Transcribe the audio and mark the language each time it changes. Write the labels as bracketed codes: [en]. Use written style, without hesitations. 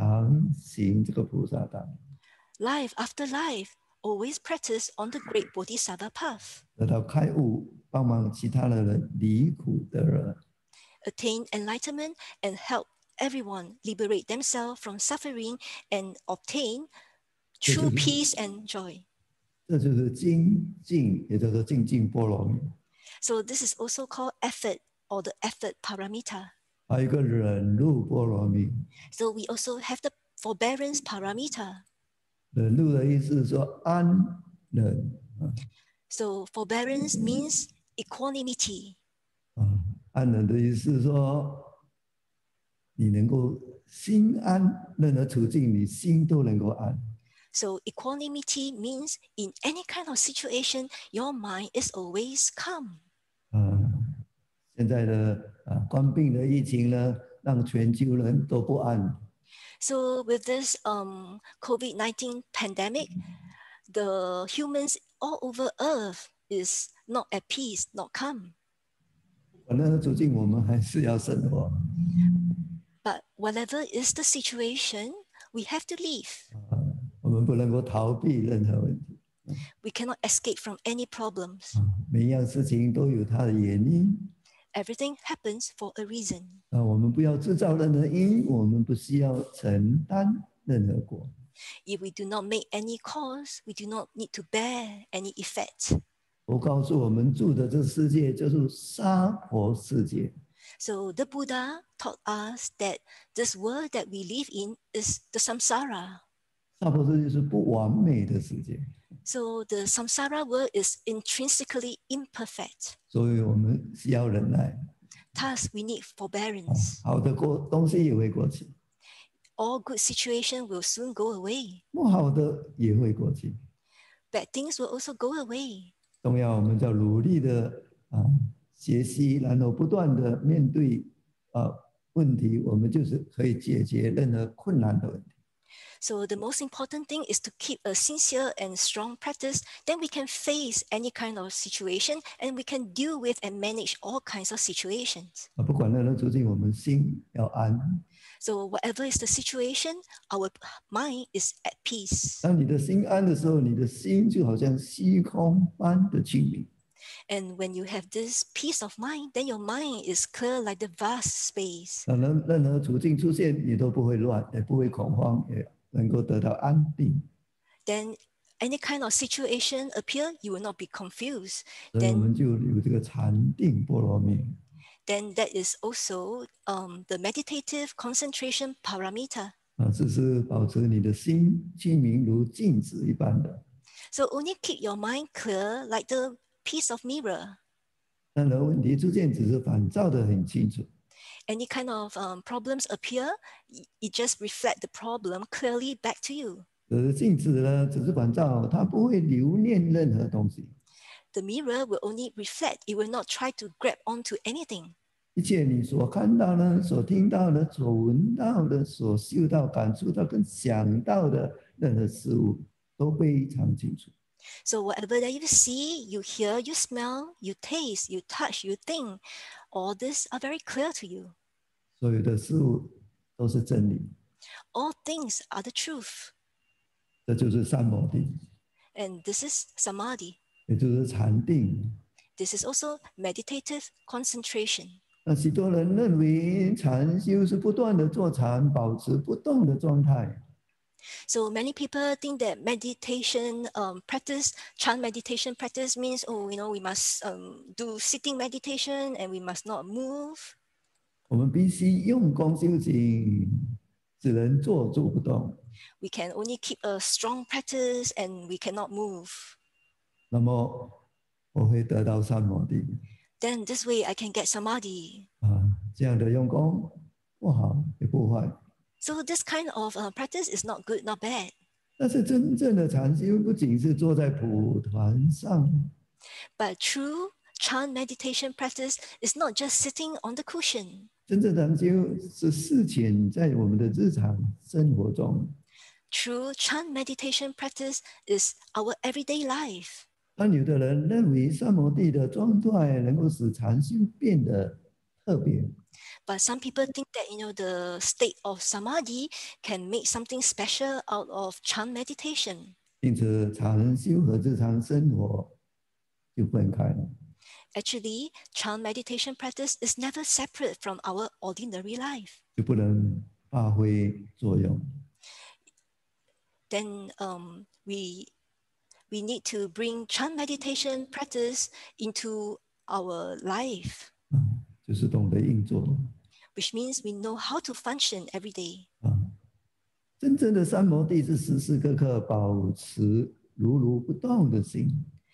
[zh] 而且生生世世常行这个菩萨道。 [en] Life after life, always practice on the great Bodhisattva path. [zh] 得到开悟，帮忙其他的人离苦得乐。 [en] Attain enlightenment and help everyone liberate themselves from suffering and obtain true peace and joy. [zh] 这就是精进，也叫做精进波罗蜜。 [en] So this is also called effort or the effort paramita. [zh] 还有一个忍辱波罗蜜。 [en] So we also have the forbearance paramita. [zh] 忍辱的意思是说安忍。 [en] So forbearance means equanimity. [zh] 安忍的意思是说 你能够心安，任何处境你心都能够安。 [en] So equanimity means in any kind of situation, your mind is always calm. [zh] 现在的冠病的疫情呢，让全球人都不安。 [en] So with this COVID-19 pandemic, the humans all over Earth is not at peace, not calm. [zh] 反正处境我们还是要生活。 [en] But whatever is the situation, we have to live. [zh] 我们不能够逃避任何问题。 [en] We cannot escape from any problems. [zh] 每样事情都有它的原因。 [en] Everything happens for a reason. [zh] 我们不要制造任何因，我们不需要承担任何果。 [en] If we do not make any cause, we do not need to bear any effect. [zh] 我告诉我们住的这世界就是娑婆世界。 [en] So the Buddha taught us that this world that we live in is the samsara. [zh] 娑婆世界是不完美的世界。 [en] So the samsara world is intrinsically imperfect. [zh] 所以我们需要忍耐。 [en] Thus, we need forbearance. [zh] 好的过东西也会过去。 [en] All good situations will soon go away. [zh] 不好的也会过去。 [en] Bad things will also go away. [zh] 重要，我们要努力的学习，然后不断的面对问题，我们就是可以解决任何困难的问题。 [en] So the most important thing is to keep a sincere and strong practice, then we can face any kind of situation, and we can deal with and manage all kinds of situations. [zh] 不管任何处境，我们心要安。 [en] So whatever is the situation, our mind is at peace. [zh] 当你的心安的时候，你的心就好像虚空般的清明。 [en] And when you have this peace of mind, then your mind is clear like the vast space. [zh] 任何处境出现，你都不会乱，也不会恐慌，也能够得到安定。 [en] Then any kind of situation appear, you will not be confused. [zh] 所以我们就有这个禅定波罗蜜。 [en] Then that is also the meditative concentration paramita. [zh] 只是保持你的心清明如镜子一般的。 [en] So only keep your mind clear like the piece of mirror. [zh] 任何问题出现，只是反照得很清楚。 [en] Any kind of problems appear, it just reflect the problem clearly back to you. [zh] 镜子呢，只是反照，它不会留恋任何东西。 [en] The mirror will only reflect, it will not try to grab onto anything. [zh] 一切你所看到的、所听到的、所闻到的、所嗅到、感触到跟想到的任何事物都非常清楚。 [en] So whatever that you see, you hear, you smell, you taste, you touch, you think, all this are very clear to you. [zh] 所有的事物都是真理。 [en] All things are the truth. [zh] 这就是三摩地。 [en] And this is samadhi. [zh] 也就是禅定。 [en] This is also meditative concentration. [zh] 那许多人认为禅修是不断的坐禅，保持不动的状态。 [en] So many people think that meditation practice, Chan meditation practice means, oh, you know, we must do sitting meditation and we must not move. [zh] 我们必须用功修行，只能坐住不动。 [en] We can only keep a strong practice and we cannot move. [zh] 那么我会得到三摩地。 [en] Then this way I can get samadhi. [zh] 这样的用功不好也不坏。 [en] So this kind of practice is not good, not bad. [zh] 但是真正的禅修不仅是坐在蒲团上。 [en] But true Chan meditation practice is not just sitting on the cushion. [zh] 真正禅修是实践在我们的日常生活中。 [en] True Chan meditation practice is our everyday life. [zh] 当有的人认为三摩地的状态能够使禅修变得特别 [en] ，But some people think that you know the state of samadhi can make something special out of Chan meditation. [zh] 因此，禅修和日常生活就分开了。 [en] Actually, Chan meditation practice is never separate from our ordinary life. [zh] 就不能发挥作用。 [en] Then, we need to bring Chan meditation practice into our life. [zh] 就是懂得运作。 [en] Which means we know how to function every day. [zh] 真正的三摩地是时时刻刻保持如如不动的心。